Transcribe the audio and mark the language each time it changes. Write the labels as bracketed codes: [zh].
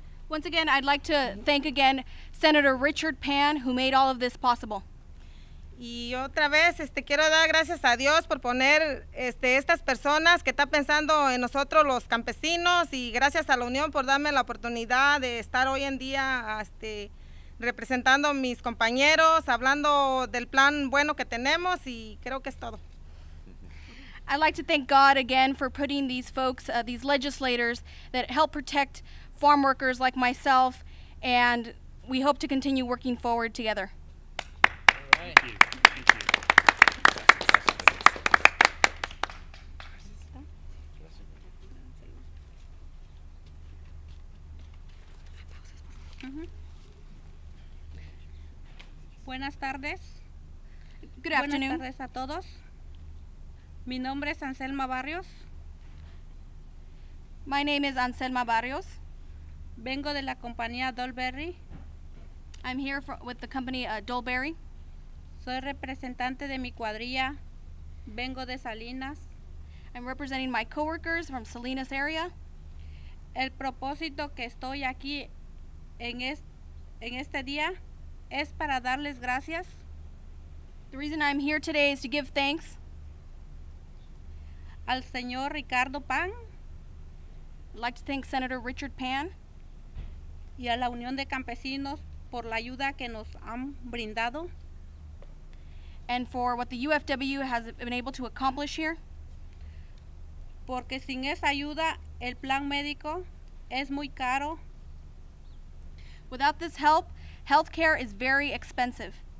[en] Once again, I'd like to thank again Senator Richard Pan, who made all of this possible. [es] Y otra vez, quiero dar gracias a Dios por poner estas personas que está pensando en nosotros los campesinos, y gracias a la Unión por darme la oportunidad de estar hoy en día representando a mis compañeros, hablando del plan bueno que tenemos, y creo que es todo. [en] I'd like to thank God again for putting these folks, these legislators that help protect farm workers like myself, and we hope to continue working forward together. [es] Buenas tardes. [en] Good afternoon. [es] Buenas tardes a todos. Mi nombre es Anselma Barrios. [en] My name is Anselma Barrios. [es] Vengo de la compañía Dolberry. [en] I'm here with the company Dolberry. [es] Soy representante de mi cuadrilla. Vengo de Salinas. [en] I'm representing my coworkers from Salinas area. [es] El propósito que estoy aquí en este día es para darles gracias. [en] The reason I'm here today is to give thanks [es] al señor Ricardo Pan. [en] I'd like to thank Senator Richard Pan [es] y a la Unión de Campesinos por la ayuda que nos han brindado. [en] And for what the UFW has been able to accomplish here. [es] Porque sin esa ayuda, el plan médico es muy caro. [en] Without this help, healthcare is very expensive.